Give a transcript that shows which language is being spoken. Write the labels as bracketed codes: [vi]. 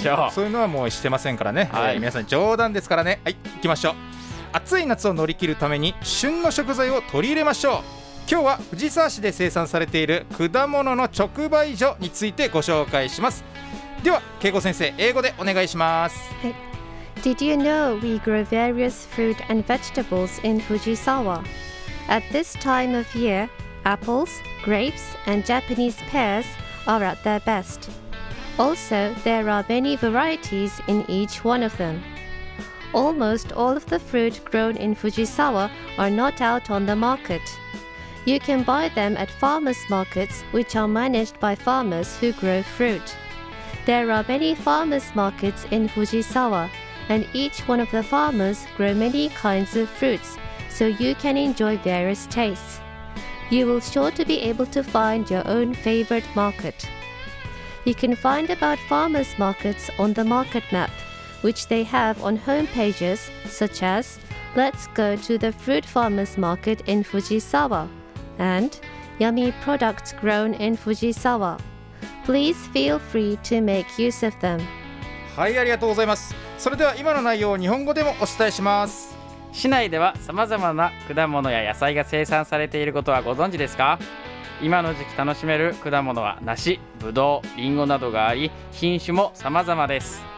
[ja] そういうのはもうしてませんからね、はい、皆さん冗談ですからね。はい、行きましょう。暑い夏を乗り切るために旬の食材を取り入れましょう。今日は藤沢市で生産されている果物の直売所についてご紹介します。では恵子先生、英語でお願いします。 [en] はい、Did you know we grow various fruit and vegetables in Fujisawa? At this time of year, apples, grapes and Japanese pearsare at their best. Also, there are many varieties in each one of them. Almost all of the fruit grown in Fujisawa are not out on the market. You can buy them at farmers' markets, which are managed by farmers who grow fruit. There are many farmers' markets in Fujisawa, and each one of the farmers grow many kinds of fruits, so you can enjoy various tastes. You will sure to be able to find your own favorite market. You can find about farmers markets on the market map, which they have on home pages, such as Let's go to the fruit farmers market in Fujisawa and Yummy products grown in Fujisawa. Please feel free to make use of them. [ja] はい、ありがとうございます。それでは今の内容を日本語でもお伝えします。市内では様々な果物や野菜が生産されていることはご存知ですか？今の時期楽しめる果物は梨、ぶどう、りんごなどがあり、品種も様々です。